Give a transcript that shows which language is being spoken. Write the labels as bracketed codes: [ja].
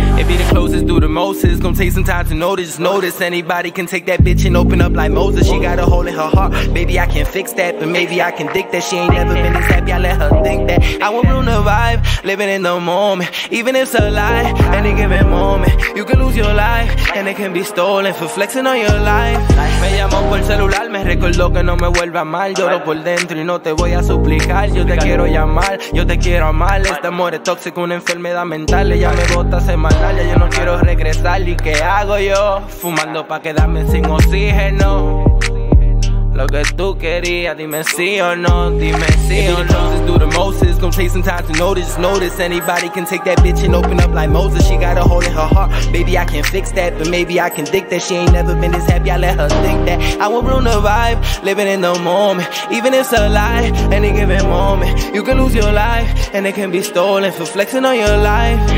[en] Be the closest, do the most. It's gonna take some time to notice. Notice anybody can take that bitch and open up like Moses. She got a hole in her heart. Maybe I can fix that, but maybe I can dig that. She ain't never been this happy. I let her think that. I won't ruin the vibe. Living in the moment, even if it's a lie. Any given moment, you can lose your life, and it can be stolen for flexing on your life. [es] Me llamó por el celular, me recordó que no me vuelva mal. Lloro por dentro y no te voy a suplicar. Yo te quiero llamar, yo te quiero amar. Este amor es tóxico, una enfermedad mental. Ella me bota semanal. Yo no quiero regresar, ¿y qué hago yo? Fumando pa' quedarme sin oxígeno. Lo que tú querías, dime sí o no, dime sí o no. [en] If you're the closest, do the most. It's gonna take some time to notice. Notice anybody can take that bitch and open up like Moses. She got a hole in her heart. Maybe I can fix that, but maybe I can dig that. She ain't never been this happy. I let her think that. I won't ruin the vibe. Living in the moment, even if it's a lie. Any given moment, you can lose your life, and it can be stolen for flexing on your life.